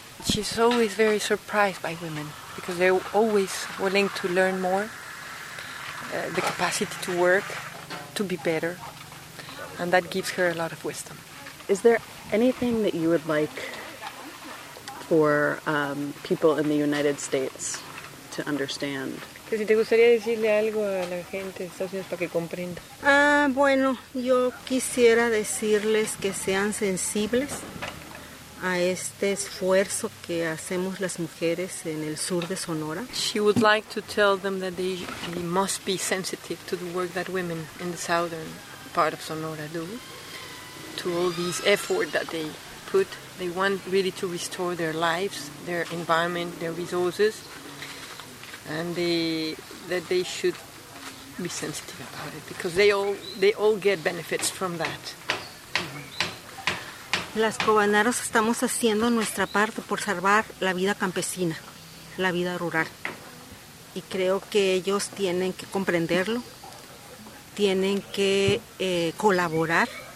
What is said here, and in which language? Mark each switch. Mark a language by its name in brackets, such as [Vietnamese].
[English] She's always very surprised by women because they're always willing to learn more, the capacity to work, to be better, and that gives her a lot of wisdom. Is there anything that you would like for people in the United States to understand? [Spanish] Que si te gustaría decirle algo a la gente de Estados Unidos para que comprenda. Bueno, yo quisiera decirles que sean sensibles a este esfuerzo que hacemos las mujeres en el sur de Sonora. [English] She would like to tell them that they must be sensitive to the work that women in the southern part of Sonora do, to all these effort that they put. They want really to restore their lives, their environment, their resources, and that they should be sensitive about it because they all get benefits from that. [Spanish] Las cobanaros estamos haciendo nuestra parte por salvar la vida campesina, la vida rural, y creo que ellos tienen que comprenderlo, tienen que colaborar.